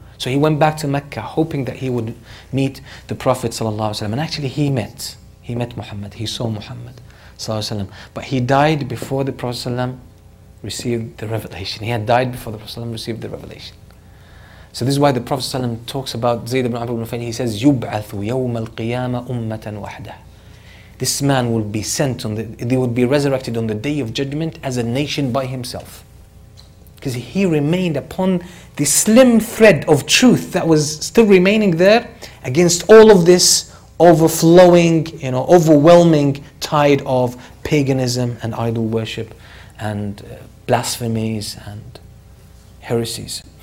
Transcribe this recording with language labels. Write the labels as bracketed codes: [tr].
[en] So he went back to Mecca, hoping that he would meet the Prophet ﷺ. And actually he met Muhammad. He saw Muhammad ﷺ. But he died before the Prophet ﷺ received the revelation. He had died before the Prophet ﷺ received the revelation. So this is why the Prophet ﷺ talks about Zayd ibn Amr ibn Nufayl. He says, [ar] يُبْعَثُ يَوْمَ الْقِيَامَةِ أُمَّةً وَحْدَةً. [en] This man will be sent on they would be resurrected on the Day of Judgment as a nation by himself. Because he remained upon the slim thread of truth that was still remaining there against all of this overflowing, you know, overwhelming tide of paganism and idol worship and blasphemies and heresies.